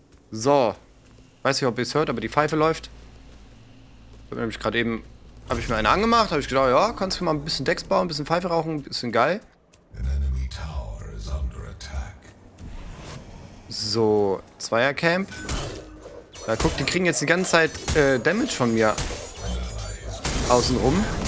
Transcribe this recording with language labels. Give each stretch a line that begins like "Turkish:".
German: So. Weiß nicht, ob ihr es hört, aber die Pfeife läuft. Ich habe nämlich gerade eben... Habe ich mir eine angemacht, habe ich gedacht, ja, kannst du mal ein bisschen Decks bauen, ein bisschen Pfeife rauchen, ein bisschen geil.
English: An enemy tower is under attack.
German: So, 2er-Camp. Da guck, die kriegen jetzt die ganze Zeit Damage von mir. Außenrum.